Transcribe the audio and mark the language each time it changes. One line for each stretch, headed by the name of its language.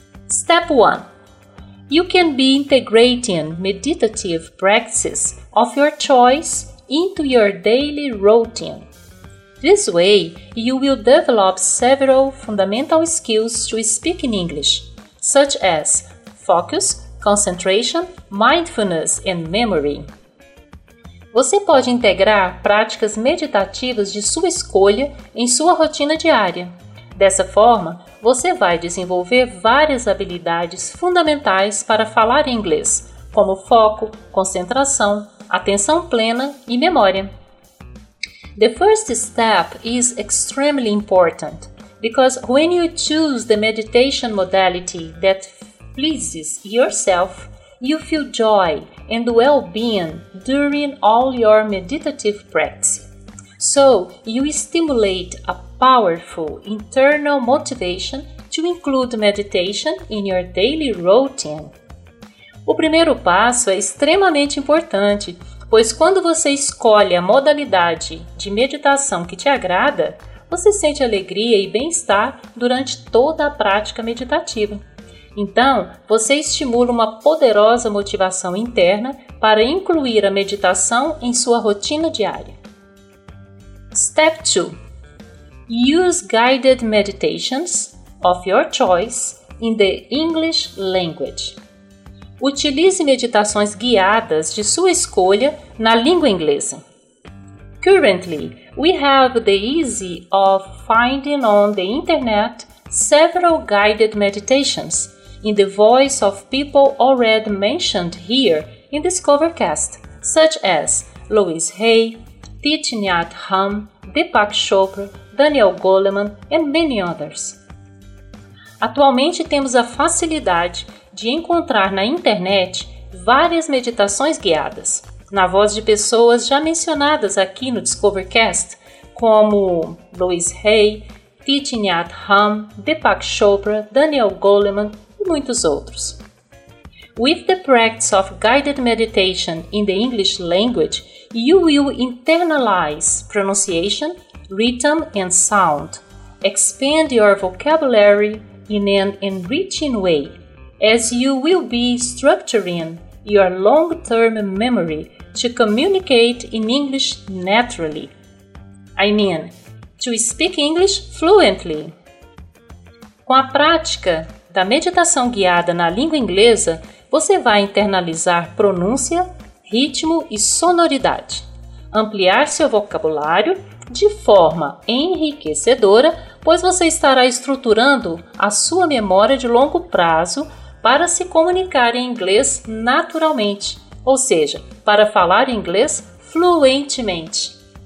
English: Step 1. You can be integrating meditative practices of your choice into your daily routine. This way, you will develop several fundamental skills to speak in English, such as focus, concentration, mindfulness and memory.
Portuguese: Você pode integrar práticas meditativas de sua escolha em sua rotina diária. Dessa forma, você vai desenvolver várias habilidades fundamentais para falar inglês, como foco, concentração, atenção plena e memória.
English: The first step is extremely important, because when you choose the meditation modality that pleases yourself, you feel joy and well-being during all your meditative practice. So, you stimulate a powerful internal motivation to include meditation in your daily routine.
Portuguese: O primeiro passo é extremamente importante, pois quando você escolhe a modalidade de meditação que te agrada, você sente alegria e bem-estar durante toda a prática meditativa. Então, você estimula uma poderosa motivação interna para incluir a meditação em sua rotina diária.
English: Step 2. Use guided meditations of your choice in the English language.
Portuguese: Utilize meditações guiadas de sua escolha na língua inglesa.
English: Currently, we have the ease of finding on the internet several guided meditations in the voice of people already mentioned here in DiscoverCast, such as Louise Hay, Thich Nhat Hanh, Deepak Chopra, Daniel Goleman, and many others.
Portuguese: Atualmente temos a facilidade de encontrar na internet várias meditações guiadas, na voz de pessoas já mencionadas aqui no DiscoverCast, como Louise Hay, Thich Nhat Hanh, Deepak Chopra, Daniel Goleman e muitos outros.
English: With the practice of guided meditation in the English language, you will internalize pronunciation, rhythm and sound, expand your vocabulary in an enriching way, as you will be structuring your long-term memory to communicate in English naturally. I mean, to speak English fluently.
Portuguese: Com a prática da meditação guiada na língua inglesa, você vai internalizar pronúncia, ritmo e sonoridade, ampliar seu vocabulário de forma enriquecedora, pois você estará estruturando a sua memória de longo prazo para se comunicar em inglês naturalmente, ou seja, para falar inglês fluentemente.